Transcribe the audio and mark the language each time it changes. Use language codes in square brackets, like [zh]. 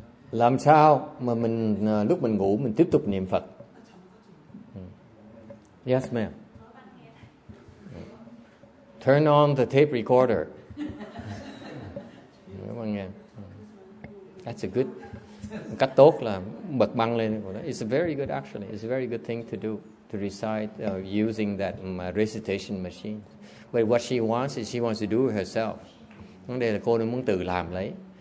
[vi] Làm sao mà mình lúc mình ngủ mình tiếp tục niệm Phật? [en] Yes, ma'am. Turn on the tape recorder. That's a good [vi] cách tốt là bật băng lên. [en] It's very good actually. It's a very good thing to do, to recite using that recitation machine. But what she wants is she wants to do it herself. [vi] Đây là cô nó muốn tự làm lấy.